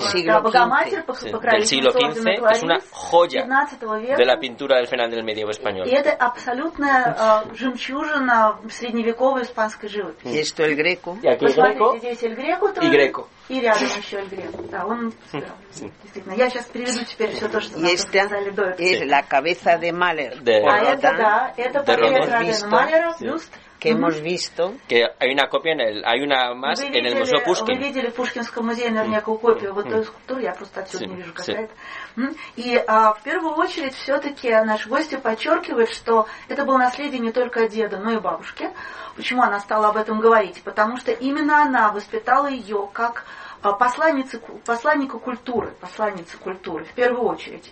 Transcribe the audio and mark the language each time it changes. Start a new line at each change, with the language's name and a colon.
Spanish: siglo XV, es una joya de la pintura del final del medievo español. Y esto es absolutamente
Russian: жемчужина средневековой испанской живописи.
Spanish: Y esto el Greco. Y aquí el Greco.
Russian: И Греко. И рядом еще и Греко. Да, он действительно. Я сейчас приведу теперь все то, что нам сказали до этого.
Spanish: Es la cabeza de Mahler.
Russian: Это портрет Родена Малера, бюст.
Spanish: Que hemos visto. Que hay una copia en el, hay una más
Russian: видели,
Spanish: en el Museo Пушкин.
Russian: Вы видели в Пушкинском музее наверняка копию вот той скульптуры, я просто отсюда не вижу какая-то. И в первую очередь все-таки наши гости подчеркивают, что это было наследие не только деда, но и бабушки. Почему она стала об этом говорить? Потому что именно она воспитала ее как посланницу культуры в первую очередь.